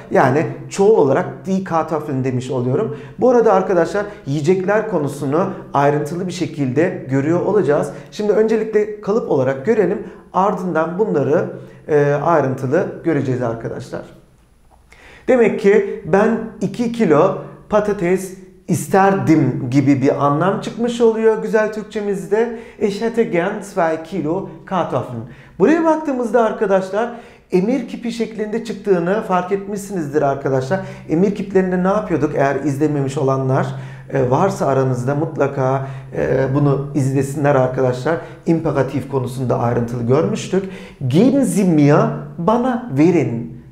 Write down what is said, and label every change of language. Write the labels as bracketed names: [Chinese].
[Turkish] Yani çoğul olarak die Kartoffeln demiş oluyorum. Bu arada arkadaşlar yiyecekler konusunu ayrıntılı bir şekilde görüyor olacağız. Şimdi öncelikle kalıp olarak görelim. Ardından bunları ayrıntılı göreceğiz arkadaşlar. Demek ki ben 2 kilo patates isterdim gibi bir anlam çıkmış oluyor güzel Türkçemizde. [German] Ich hätte gern 2 kilo Kartoffeln. [Turkish] Buraya baktığımızda arkadaşlar emir kipi şeklinde çıktığını fark etmişsinizdir arkadaşlar. Emir kiplerinde ne yapıyorduk? Eğer izlememiş olanlar varsa aranızda mutlaka bunu izlesinler arkadaşlar. İmperatif konusunda ayrıntılı görmüştük. [German] Geben Sie mir, [Turkish] bana verin.